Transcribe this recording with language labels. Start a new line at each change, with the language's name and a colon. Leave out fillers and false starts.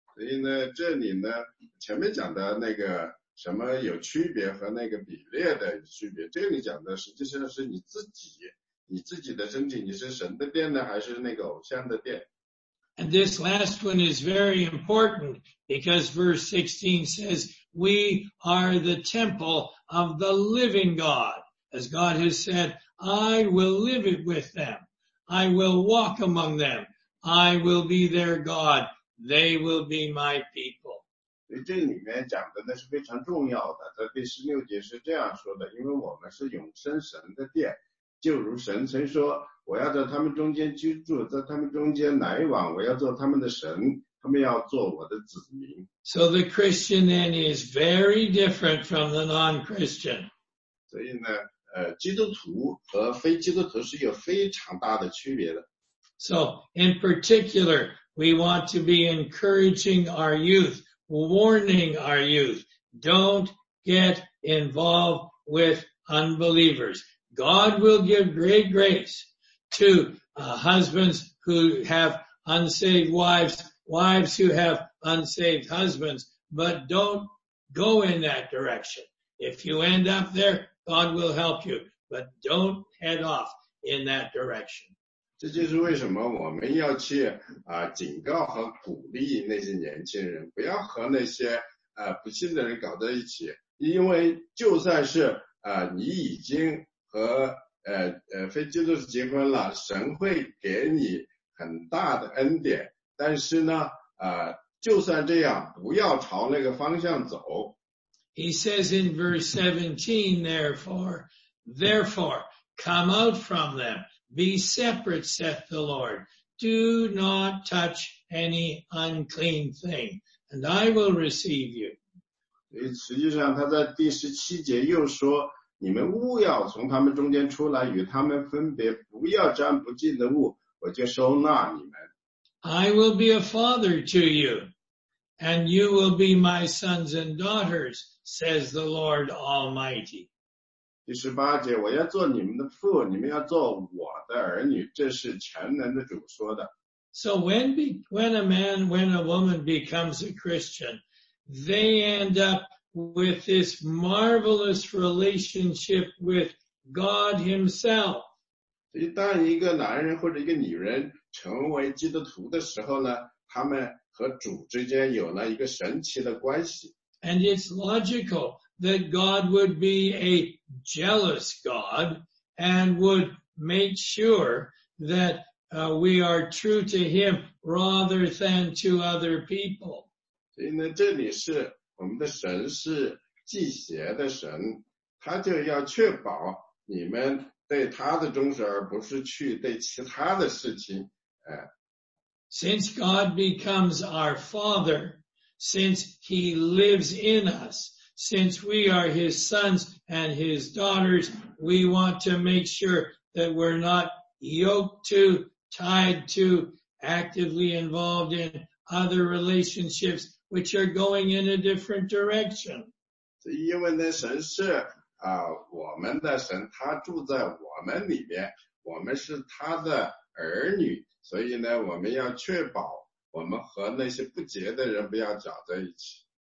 Chinese: 所以呢，这里呢，前面讲的那个什么有区别和那个比例的区别，这里讲的实际上是你自己，你自己的身体，你是神的殿呢，还是那个偶像的殿？
English: And this last one is very important because verse 16 says, we are the temple of the living God. As God has said,I will live it with them. I will walk among them. I will be their God. They will be my people.
Chinese: 所以这里面讲的那是非常重要的。在第十六节是这样说的，因为我们是永生神的殿，就如神曾说，我要在他们中间居住，在他们中间来往，我要做他们的神，他们要做我的子民。
English: So the Christian then is very different from the non-Christian.
Chinese: 所以呢，基督徒和非基督徒是有非常大的区别的。
English: So, in particular, we want to be encouraging our youth, warning our youth, don't get involved with unbelievers. God will give great grace to husbands who have unsaved wives, wives who have unsaved husbands, but don't go in that direction. If you end up there,God will help you, but don't head off in that direction.
Chinese: 这就是为什么我们要去警告和鼓励那些年轻人，不要和那些不信的人搞在一起，因为就算是你已经和非基督徒结婚了，神会给你很大的恩典，但是呢就算这样，不要朝那个方向走。
English: He says in verse 17, therefore, come out from them, be separate, saith the Lord. Do not touch any unclean thing, and I will receive you.
Chinese: 实际上他在第十七节又说，你们勿要从他们中间出来，与他们分别，不要沾不净的物，我就收纳你们。
English: I will be a father to you, and you will be my sons and daughters, says the Lord Almighty.
Chinese: 第十八节，我要做你们的父，你们要做我的儿女，这是全能的主说的。
English: So when a woman becomes a Christian, they end up with this marvelous relationship with God Himself.
Chinese: 当一个男人或者一个女人成为基督徒的时候呢，他们和主之间有了一个神奇的关系。
English: And it's logical that God would be a jealous God and would make sure that we are true to Him rather than to other people.
Chinese: 所以呢，这里是我们的神是祭邪的神，他就要确保你们对他的忠实，而不是去对其他的事情。
English: Since God becomes our Father, since He lives in us, since we are His sons and His daughters, we want to make sure that we're not yoked to, tied to, actively involved in other relationships which are going in a different direction.
Chinese: 因为呢，神是我们的神，他住在我们里面，我们是他的儿女，所以呢，我们要确保我们和那些不洁的人不要搅在一起。